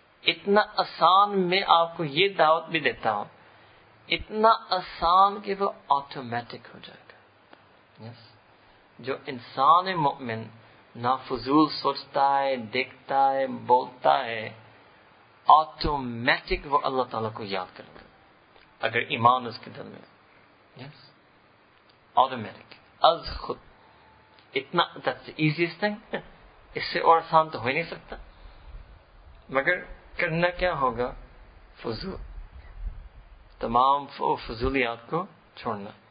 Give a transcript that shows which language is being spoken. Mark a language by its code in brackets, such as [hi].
[ur] اتنا آسان میں آپ کو یہ دعوت بھی دیتا ہوں, اتنا آسان کہ وہ آٹومیٹک ہو جائے گا. [en] Yes. [ur] جو انسان مومن نہ فضول سوچتا ہے, دیکھتا ہے, بولتا ہے, آٹومیٹک وہ اللہ تعالیٰ کو یاد کرے گا اگر ایمان اس کے دل میں. [en] Yes. [ur] آٹومیٹک از خود. اتنا [en] that's the easiest thing. [ur] اس سے اور آسان تو ہو ہی نہیں سکتا. مگر کرنا کیا ہوگا؟ فضول, تمام فضولیات کو چھوڑنا.